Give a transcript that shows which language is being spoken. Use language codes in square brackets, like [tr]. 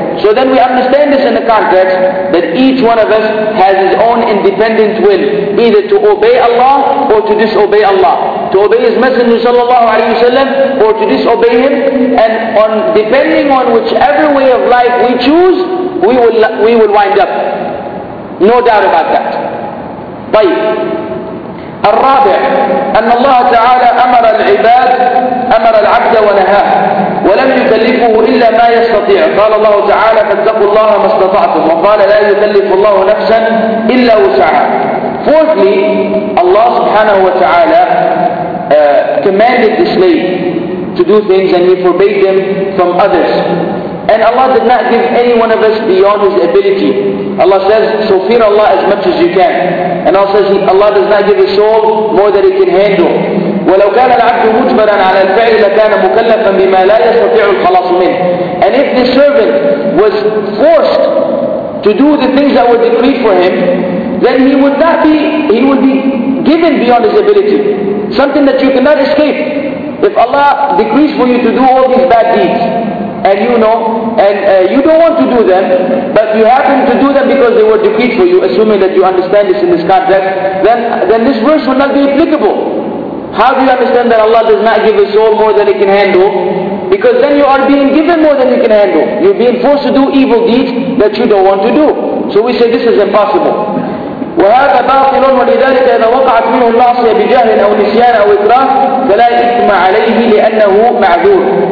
[en] So then we understand this in the context that each one of us has his own independent will, either to obey Allah or to disobey Allah, to obey His Messenger sallallahu alaihi wasallam or to disobey him. And on depending on whichever way of life we choose, we will wind up. No doubt about that. [ar] طيب الرابع أن الله تعالى أمر العباد أمر العبد ونهاه ولم يكلفه إلا ما يستطيع قال الله تعالى فاتقوا الله ما استطعتم وقال لا يكلف الله نفسا إلا وسعها. [en] Fourthly, Allah subhanahu wa ta'ala commanded the slave to do things and He forbade them from others. And Allah did not give any one of us beyond His ability. Allah says, so fear Allah as much as you can. And Allah says, Allah does not give a soul more than it can handle. [ar] وَلَوْ كَانَ الْعَبْدُ مُجْبَرًا عَلَى الْفَعْلِ لَكَانَ مُكَلَّفًا بِمَا لَا يَسْتَطِعُ الْخَلَاصُ مِنْهِ. [en] And if the servant was forced to do the things that were decreed for him, then he would be given beyond his ability. Something that you cannot escape. If Allah decrees for you to do all these bad deeds, and you know, and you don't want to do them, but you happen to do them because they were decreed for you, assuming that you understand this in this context, then this verse would not be applicable. How do you understand that Allah does not give a soul more than it can handle? Because then you are being given more than you can handle. You're being forced to do evil deeds that you don't want to do. So we say this is impossible. [ar] وهذا باطل ولذلك إذا وقعت منه المعصية بجهل أو نسيان أو إكراه فلا إثم عليه لأنه معذور.